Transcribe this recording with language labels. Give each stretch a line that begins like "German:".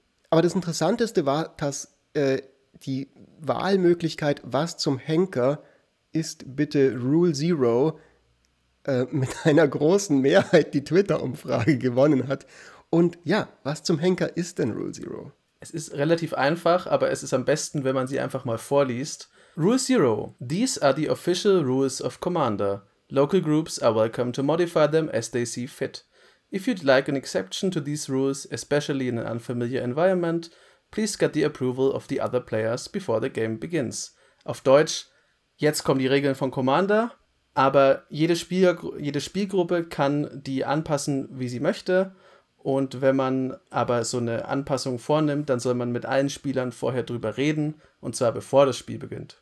German: Aber das Interessanteste war, dass die Wahlmöglichkeit, was zum Henker ist bitte Rule Zero, mit einer großen Mehrheit die Twitter-Umfrage gewonnen hat. Und ja, was zum Henker ist denn Rule Zero? Es ist relativ einfach, aber es ist am besten, wenn man sie einfach mal vorliest.
English: Rule Zero. These are the official rules of Commander. Local groups are welcome to modify them as they see fit. If you'd like an exception to these rules, especially in an unfamiliar environment, please get the approval of the other players before the game begins.
German: Auf Deutsch, jetzt kommen die Regeln von Commander, aber jede Spielgruppe kann die anpassen, wie sie möchte. Und wenn man aber so eine Anpassung vornimmt, dann soll man mit allen Spielern vorher drüber reden, und zwar bevor das Spiel beginnt.